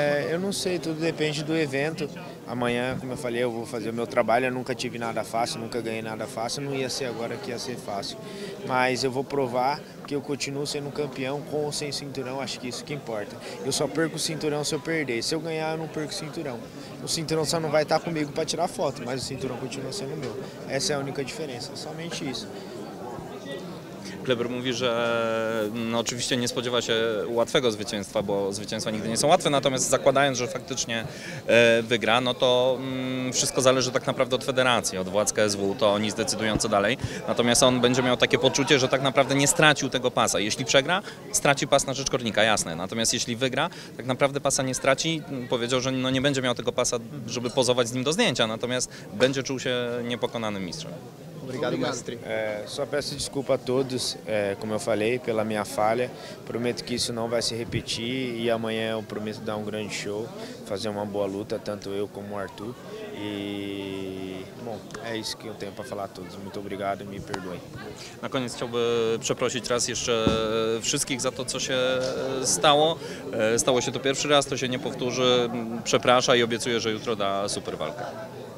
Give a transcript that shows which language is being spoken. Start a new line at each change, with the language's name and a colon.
Portuguese: Eu não sei, tudo depende do evento. Amanhã, como eu falei, eu vou fazer o meu trabalho, eu nunca tive nada fácil, nunca ganhei nada fácil, não ia ser agora que ia ser fácil. Mas eu vou provar que eu continuo sendo campeão com ou sem cinturão, acho que isso que importa. Eu só perco o cinturão se eu perder, se eu ganhar eu não perco o cinturão. O cinturão só não vai estar comigo para tirar foto, mas o cinturão continua sendo meu. Essa é a única diferença, somente isso.
Polish: Kleber mówi, że no oczywiście nie spodziewa się łatwego zwycięstwa, bo zwycięstwa nigdy nie są łatwe, natomiast zakładając, że faktycznie wygra, no to wszystko zależy tak naprawdę od federacji, od władz KSW, to oni zdecydują co dalej. Natomiast on będzie miał takie poczucie, że tak naprawdę nie stracił tego pasa. Jeśli przegra, straci pas na rzecz Kornika, jasne. Natomiast jeśli wygra, tak naprawdę pasa nie straci. Powiedział, że no nie będzie miał tego pasa, żeby pozować z nim do zdjęcia, natomiast będzie czuł się niepokonanym mistrzem.
Portuguese: Obrigado, mestre. Só peço desculpa a todos, como eu falei, pela minha falha. Prometo que isso não vai se repetir e amanhã eu prometo dar um grande show, fazer uma boa luta, tanto eu como o Arthur. E, bom, é isso que eu tenho para falar a todos. Muito obrigado e me perdoem.
Polish: Na koniec chciałbym przeprosić raz jeszcze wszystkich za to, co się stało. Stało się to pierwszy raz, to się nie powtórzy. Przeprasza i obiecuję, że jutro da super walkę.